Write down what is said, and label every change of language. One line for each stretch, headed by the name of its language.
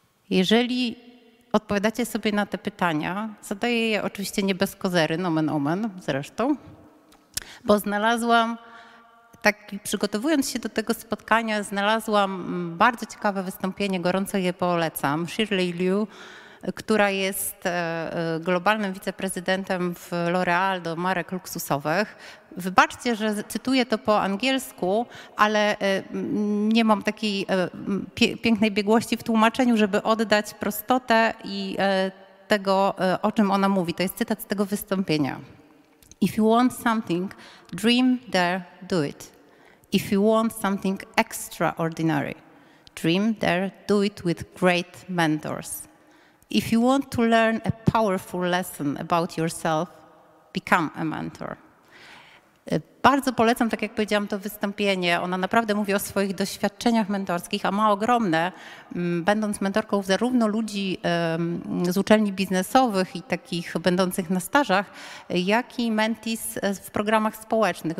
Polish: Jeżeli odpowiadacie sobie na te pytania, zadaję je oczywiście nie bez kozery, nomen omen zresztą, bo znalazłam, tak przygotowując się do tego spotkania, znalazłam bardzo ciekawe wystąpienie, gorąco je polecam, Shirley Liu, która jest globalnym wiceprezydentem w L'Oreal do marek luksusowych. Wybaczcie, że cytuję to po angielsku, ale nie mam takiej pięknej biegłości w tłumaczeniu, żeby oddać prostotę i tego, o czym ona mówi. To jest cytat z tego wystąpienia.
English: If you want something, dream there, do it. If you want something extraordinary, dream there, do it with great mentors. If you want to learn a powerful lesson about yourself, become a mentor.
Polish: Bardzo polecam, tak jak powiedziałam, to wystąpienie. Ona naprawdę mówi o swoich doświadczeniach mentorskich, a ma ogromne, będąc mentorką zarówno ludzi z uczelni biznesowych i takich będących na stażach, jak i mentees w programach społecznych.